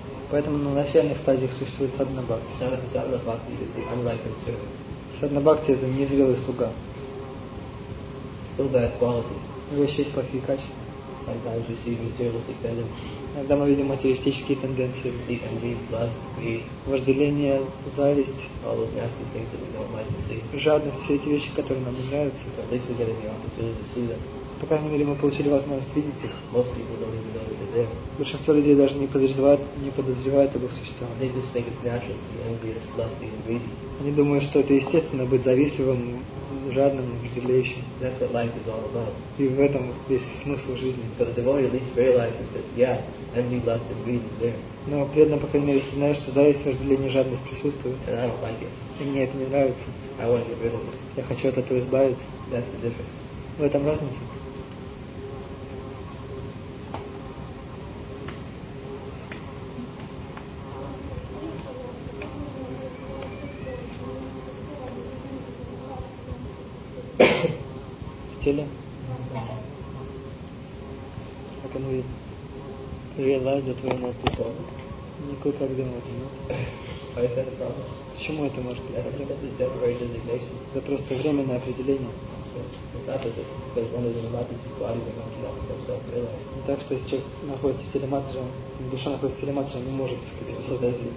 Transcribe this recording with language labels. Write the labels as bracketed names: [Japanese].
[Russian] Поэтому на начальных стадиях существует саддхана-бхакти. Саддхана-бхакти — это незрелый слуга. [English] Still bad qualities. [Russian] У него еще есть плохие качества. [English] Sometimes we see materialistic tendencies. [Russian] Иногда мы видим материалистические тенденции. [English] We see envy, lust, greed. [Russian] Вожделение, зависть. [English] All those nasty things that we don't like to see. [Russian] Жадность, все эти вещи, которые нам не нравятся. [English] At least we get the opportunity to see them. [Russian] По крайней мере, мы получили возможность видеть их. [English] Most people don't even know that they're there. [Russian] Большинство людей даже не подозревают об их существовании. [English] They just think it's natural to be envious, lusty, and greedy. [Russian] Они думают, что это естественно быть завистливым, жадным, вожделеющим. [English] That's what life is all about. [Russian] И в этом весь смысл жизни. [English] But the devotee at least realizes that yes, envy, lust, and greed is there. [Russian] Но преданный, по крайней мере, если знает, что зависть, вожделение, жадность присутствуют. [English] And I don't like it. [Russian] И мне это не нравится. [English] I want to get rid of it. [Russian] Я хочу от этого избавиться. [English] That's the difference. [Russian] В этом разница. [English] How can we realize that we are not the problem? [Russian] Никто так думать не может. [English] Why is that a problem? [Russian] Почему это может быть? [English] That's just a temporary designation. [Russian] Это просто временное определение. [English] It's not that because one is in a matrix body, they don't have to self-realize. [Russian] Так что если человек находится в теле матрицы, душа находится в теле матрицы, он не может, так сказать,